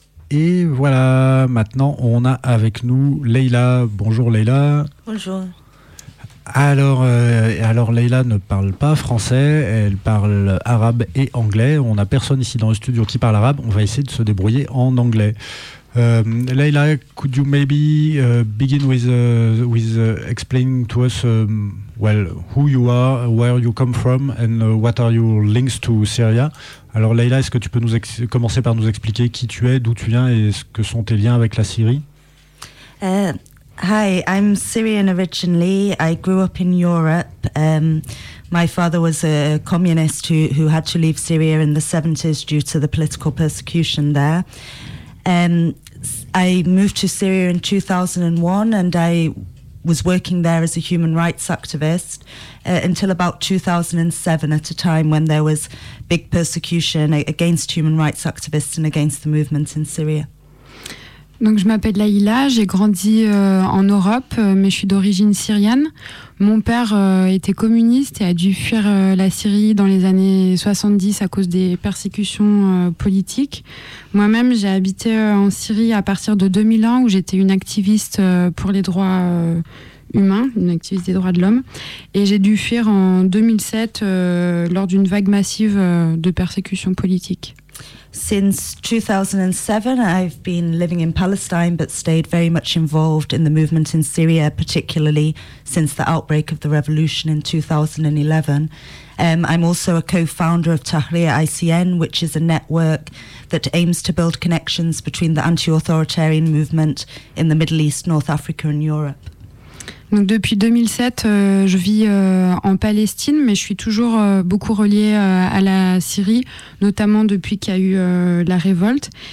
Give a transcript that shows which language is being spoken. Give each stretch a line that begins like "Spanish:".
French: Et voilà, maintenant on a avec nous Leïla. Bonjour Leïla. Bonjour. Alors Leïla ne parle pas français, elle parle arabe et anglais. On n'a personne ici dans le studio qui parle arabe, on va essayer de se débrouiller en anglais.
English: Leïla, could you maybe begin with explaining to us who you are, where you come from, and what are your links to Syria?
French: Alors Leïla, est-ce que tu peux nous commencer par nous expliquer qui tu es, d'où tu viens et ce que sont tes liens avec la Syrie?
English: Hi, I'm Syrian originally. I grew up in Europe. My father was a communist who had to leave Syria in the 70s due to the political persecution there. I moved to Syria in 2001 and I was working there as a human rights activist until about 2007, at a time when there was big persecution against human rights activists and against the movement in Syria.
French: Donc je m'appelle Leïla, j'ai grandi en Europe, mais je suis d'origine syrienne. Mon père était communiste et a dû fuir la Syrie dans les années 70 à cause des persécutions politiques. Moi-même, j'ai habité en Syrie à partir de 2001, où j'étais une activiste pour les droits humains, une activiste des droits de l'homme. Et j'ai dû fuir en 2007 lors d'une vague massive de persécutions politiques.
English: Since 2007, I've been living in Palestine, but stayed very much involved in the movement in Syria, particularly since the outbreak of the revolution in 2011. I'm also a co-founder of Tahrir ICN, which is a network that aims to build connections between the anti-authoritarian movement in the Middle East, North Africa and Europe.
French: Donc depuis 2007, je vis en Palestine, mais je suis toujours beaucoup reliée à la Syrie, notamment depuis qu'il y a eu la révolte.